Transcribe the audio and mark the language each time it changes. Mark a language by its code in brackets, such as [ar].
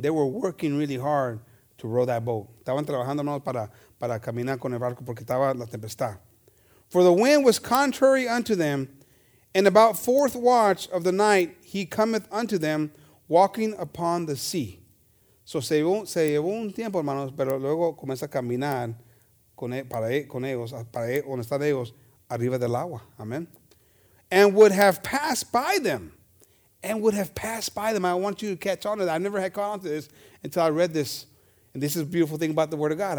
[en] They were working really hard to row that boat. [es] Estaban trabajando para caminar con el barco porque estaba la tempestad. [en] for the wind was contrary unto them. And about fourth watch of the night, he cometh unto them, walking upon the sea. [es] So se llevó un tiempo, hermanos, pero luego comienza a caminar con, para, con ellos, para donde están ellos, arriba del agua. [en] Amen. And would have passed by them. And would have passed by them. I want you to catch on to that. I never had caught on to this until I read this. And this is a beautiful thing about the Word of God.